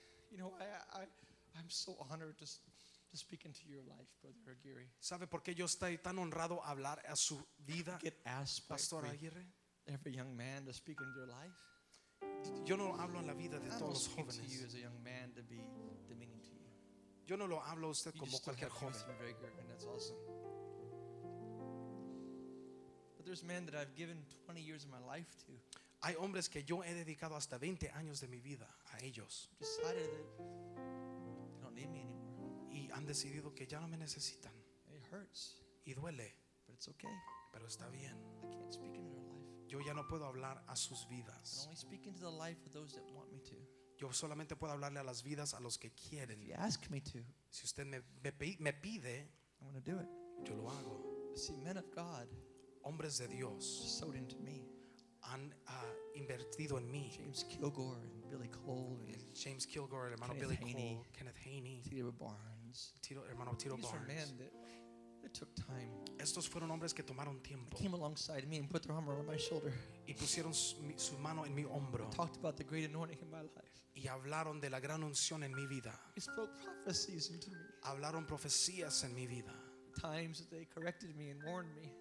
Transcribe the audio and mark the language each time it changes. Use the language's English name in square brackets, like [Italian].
[English] You know, I'm so honored to speak into your life, Brother Aguirre. [Spanish] ¿Sabe por qué yo estoy tan honrado a hablar a su vida, Pastor Aguirre? [English] Every young man to speak into your life. [Spanish] Yo no hablo en la vida de todos los jóvenes. [English] To you as a young man to be demeaning to you. [Spanish] Yo no lo hablo a usted como cualquier joven. [English] Vigor, and that's awesome. But there's men that I've given 20 years of my life to. [Spanish] Hay hombres que yo he dedicado hasta 20 años de mi vida a ellos. [English] Decided that they don't need me anymore. [Spanish] Y han decidido que ya no me necesitan. [English] It hurts. [Spanish] Y duele. [English] But it's okay. [Spanish] Pero está bien. [English] I can't speak into their life. [Spanish] Yo ya no puedo hablar a sus vidas. [English] I can only speak into the life of those that want me to. [Spanish] Yo solamente puedo hablarle a las vidas a los que quieren. [English] If you ask me to, [Spanish] si usted me pide, [English] I'm going to do it. [Spanish] Yo lo hago. [English] See, men of God, [Spanish] hombres de Dios, [English] sowed into me, [Spanish] han invertido en mí. [English] James Kilgore and Billy Cole and [Spanish] James Kilgore, el hermano Billy Cole, Kenneth Haney, [English] Tito Barnes, [Spanish] hermano Tito Barnes. [English] These are men that took time. [Spanish] Estos fueron hombres que tomaron tiempo. [English] Came alongside me and put their arm around my shoulder. [Spanish] Y pusieron su mano en mi hombro. [English] Talked about the great anointing in my life. [Spanish] Y hablaron de la gran unción en mi vida. [English] They spoke prophecies into me. [Spanish] Hablaron profecías en mi vida. [English] Times that they corrected me and warned me.